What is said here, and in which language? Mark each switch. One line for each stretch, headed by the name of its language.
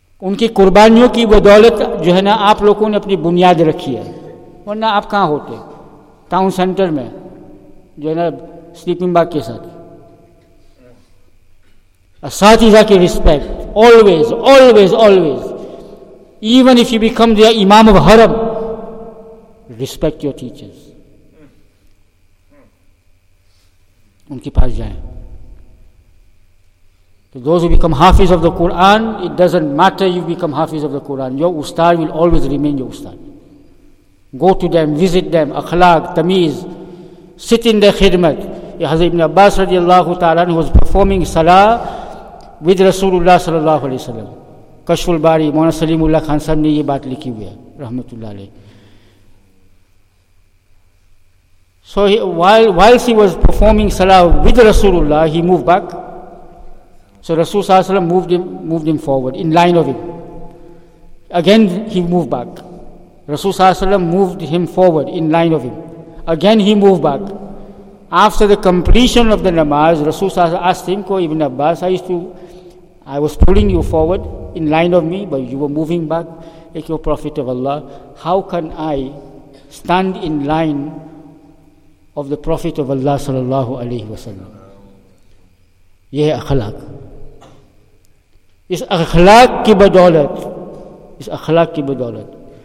Hindi: उनकी कुर्बानियों की बदौलत जो है ना आप लोगों ने अपनी बुनियाद रखी है वरना आप कहाँ होते टाउन सेंटर में जो है ना स्लीपिंग बैग के साथ असातिज़ा की respect
English: Always, always, always. Even if you become the Imam of Haram, respect your teachers.
Hindi: Unki paas jaye.
English: So those who become Hafiz of the Quran, it doesn't matter if you become Hafiz of the Quran. Your ustad will always remain your ustad. Go to them, visit them, akhlaq, tamiz. Sit in their khidmat.
Hindi: Hazrat Ibn Abbas radiallahu ta'ala,
English: who was performing salah,
Hindi: with रसूलुल्लाह सल्लल्लाहु अलैहि वसल्लम कशफुल बारी मौलाना सलीमुल्लाह खान साहब ने ये बात लिखी हुई है रहमतुल्लाह अलैह
English: So whilst he was performing सलाह with रसूलुल्लाह he move back so रसूल सल्लल्लाहु अलैहि वसल्लम moved him forward in line of him again he move back रसूल सल्लल्लाहु अलैहि वसल्लम moved him forward in line of him again he move back After the completion of the namaz, Rasul asked him, Ko Ibn Abbas, I was pulling you forward. in line of me, but you were moving back, like your Prophet of Allah. How can I stand in line of the Prophet of Allah sallallahu alayhi wa sallam?
Hindi: Yeh akhlaq. Is akhlaq ki badolat. Is akhlaq ki badolat.